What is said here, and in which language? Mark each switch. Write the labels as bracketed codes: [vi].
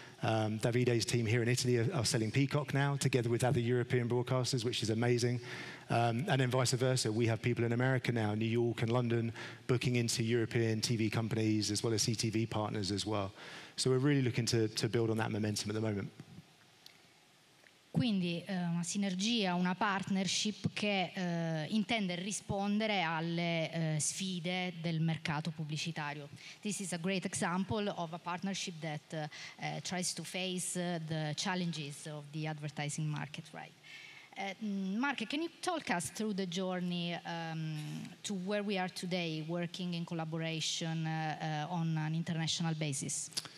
[en] Davide's team here in Italy are selling Peacock now, together with other European broadcasters, which is amazing. And then vice versa, we have people in America now, New York and London, booking into European TV companies as well as CTV partners as well. So we're really looking to build on that momentum at the moment. [it] Quindi una sinergia, una partnership che intende rispondere alle sfide del mercato pubblicitario. [en] This is a great example of a partnership that tries to face the challenges of the advertising market, right? Mark, can you talk us through the journey to where we are today, working in collaboration on an international basis?